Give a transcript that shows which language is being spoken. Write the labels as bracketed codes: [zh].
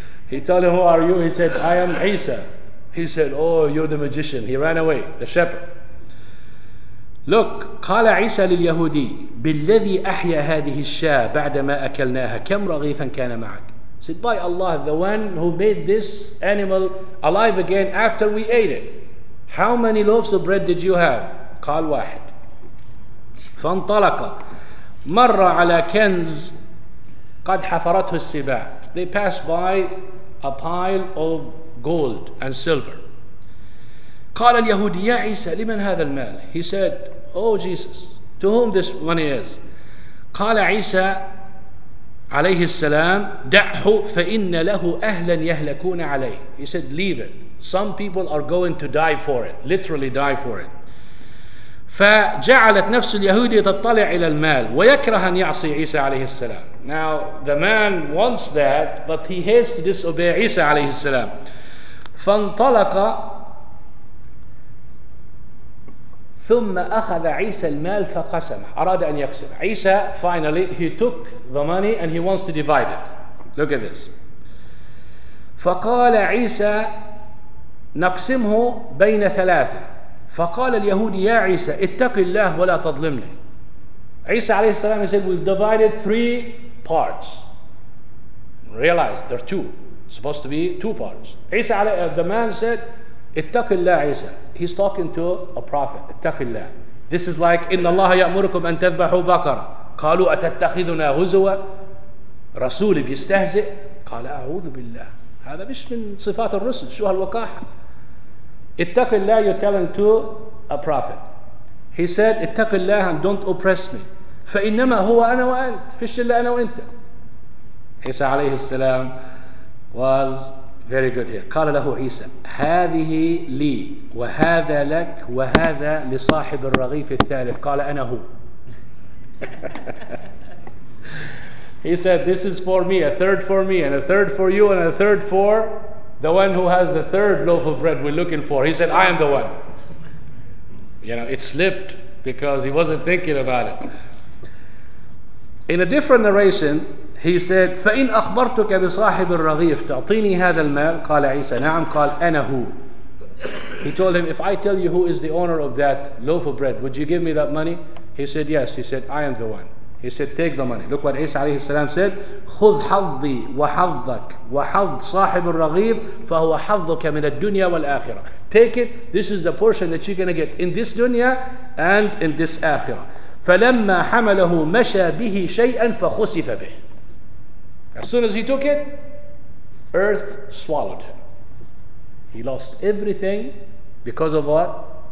[en] He told him, who are you? He said, I am Isa. He said, oh, you're the magician. He ran away, the shepherd. [ar] Look, قال عيسى لليهودي بالذي أحيا هذه الشاة بعدما أكلناها كم رغيفا كان معك. [en] He said, by Allah, the one who made this animal alive again after we ate it, how many loaves of bread did you have? [ar] قال واحد. فانطلق مر على كنز قد حفرته السباع. [en] They passed by a pile of gold and silver. [ar] قال اليهودي يا عيسى لمن هذا المال؟ [en] He said, oh Jesus, to whom this money is? [ar] قال عيسى عليه السلام دعه فإن له أهلا يهلكون عليه. [en] He said, leave it. Some people are going to die for it. Literally die for it. [ar] فجعلت نفس اليهودي تطلع إلى المال ويكره أن يعصي عيسى عليه السلام. [en] Now the man wants that, but he hates to disobey عيسى عليه السلام. [ar] فانطلق ثم أخذ عيسى المال فقسمه. أراد أن يقسم. [en] عيسى finally he took the money and he wants to divide it. Look at this. [ar] فقال عيسى نقسمه بين ثلاثة. فقال اليهودي يا عيسى اتق الله ولا تظلمني. [en] عيسى عليه السلام said we've divided three parts. Realize there are two. It's supposed to be two parts. عيسى the man said [ar] اتق الله [en] عيسى. He's talking to a prophet. [ar] اتق الله. [en] This is like [ar] إن الله يأمركم أن تذبحوا بقرة. قالوا أتتخذنا هزوا. رسول بيستهزئ. قال أعوذ بالله. هذا مش من صفات الرسل. شو هالوقاحة. اتق الله. [en] You're telling to a prophet. He said [ar] اتق الله [en] and don't oppress me. [ar] فإنما هو أنا وأنت. فيش إلا أنا وأنت. [en] عيسى عليه السلام was very good here. [ar] قال له عيسى هذه لي وهذا لك وهذا لصاحب الرغيف الثالث. قال أنا هو. [en] He said this is for me, a third for me, and a third for you, and a third for the one who has the third loaf of bread we're looking for. He said I am the one. You know, it slipped because he wasn't thinking about it. In a different narration, he said, [ar] فَإِنْ أَخْبَرْتُكَ بِصَاحِبِ الرَّغِيفِ تَعْطِينِي هَذَا الْمَالِ قَالَ عِيسَى نَعَمْ قَالْ أَنَا هُوْ. [en] He told him, if I tell you who is the owner of that loaf of bread, would you give me that money? He said, yes. He said, I am the one. He said, take the money. Look what [ar] عيسى عليه السلام said, خُذْ حَظِّي وَحَظَّكَ وَحَظْ صَاحِبُ الرَّغِيفِ فَهُوَ حَظُّكَ مِنَ الدُّنْيَا وَالْآخِرَةِ. [en] Take it. This is the portion that you're going to get in this dunya and in this akhirah. [ar] فلما حمله مشى به شيئا فخسف به. [en] As soon as he took it, earth swallowed him. He lost everything because of what?